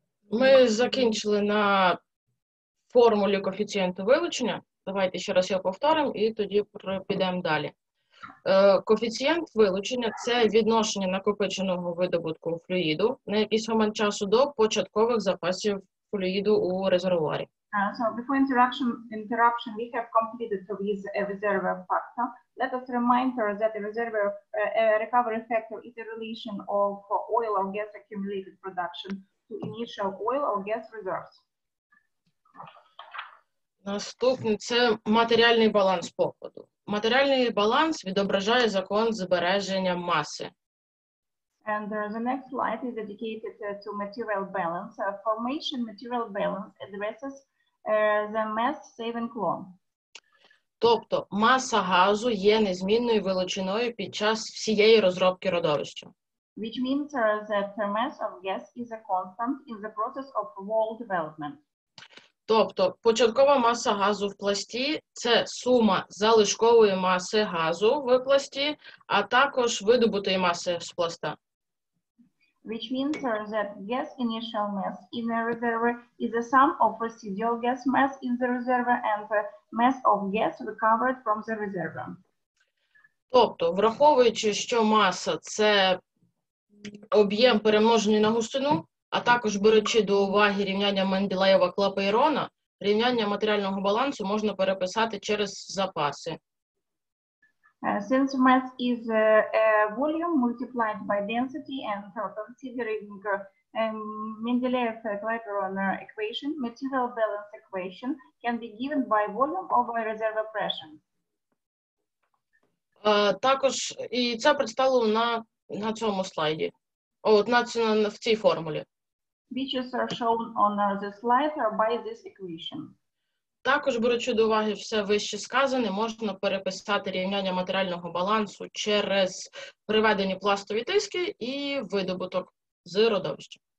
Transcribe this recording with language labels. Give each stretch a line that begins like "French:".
Russian: Мы закончили на формуле коэффициента вилучення.
Ukrainian: Давайте ще раз його повторимо і тоді підемо далі. Коефіцієнт вилучення – це відношення накопиченого видобутку флюїду на якийсь момент часу до початкових запасів флюїду у резервуарі.
English: So before interruption, we have completed with a reserve factor. Let us remind her that the reserve recovery factor is the relation of oil or gas accumulated production to initial oil or gas reserves.
Ukrainian: Наступний – це матеріальний баланс походу. Матеріальний баланс відображає закон збереження маси.
English: And the next slide is dedicated to material balance. Formation material balance addresses the mass saving law.
Ukrainian: Тобто маса газу є незмінною величиною під час всієї розробки родовища.
English: Which means that the mass of gas is a constant in the process of wall development.
Ukrainian: Тобто початкова маса газу в пласті – це сума залишкової маси газу в пласті, а також видобутої маси з пласта.
English: Which means that gas initial mass in the reservoir is the sum of residual gas mass in the reservoir and the mass of gas recovered from the reservoir.
Ukrainian: Тобто, враховуючи, що маса – це об'єм, перемножений на густину, а також беручи до уваги рівняння Менделеєва-Клапейрона, рівняння матеріального балансу можна переписати через запаси.
English: Since mass is a volume multiplied by density and considering Менделеєв-Клапейрон equation, material balance equation can be given by volume over reserve pressure.
Ukrainian: Також і це представлено на цьому слайді. От в цій формулі.
English: Which is shown on the slide or by this equation.
Ukrainian: Також, беручи до уваги все вище сказане, можна переписати рівняння матеріального балансу через приведені пластові тиски і видобуток з родовища.